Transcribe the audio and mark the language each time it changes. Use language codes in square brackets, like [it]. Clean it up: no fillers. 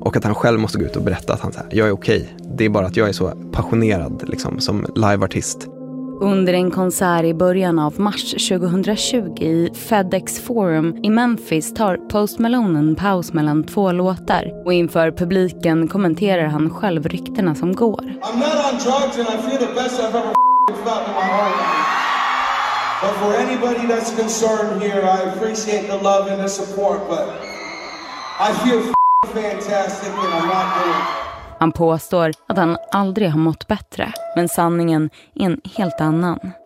[sv] Och att han själv måste gå ut och berätta att han säger, jag är okej. Det är bara att jag är så passionerad liksom, som liveartist. Under en konsert i början av mars 2020 i FedEx Forum i Memphis tar Post Malone en paus mellan två låtar. Och inför publiken kommenterar han själv ryktena som går. [en] I'm not on drugs and I feel the best I've ever f***ing felt in my heart. But for anybody that's concerned here, I appreciate the love and the support. But I feel f***ing fantastic and I'm not doing it. [sv] Han påstår att han aldrig har mått bättre, men sanningen är en helt annan.